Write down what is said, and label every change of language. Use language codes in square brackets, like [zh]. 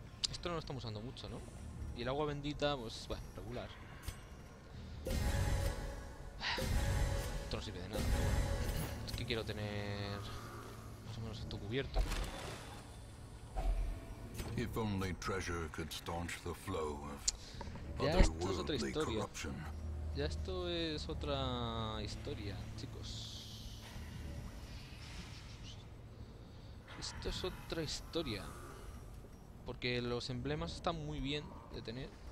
[es] Esto no lo estamos usando mucho, ¿no? Y el agua bendita, pues bueno, regular. Esto no sirve de nada. Es que quiero tener más o menos esto cubierto. [en] If only treasure could staunch the flow of otherworldly corruption. [es] Ya esto es otra historia, chicos. Esto es otra historia. Porque los emblemas están muy bien de tener.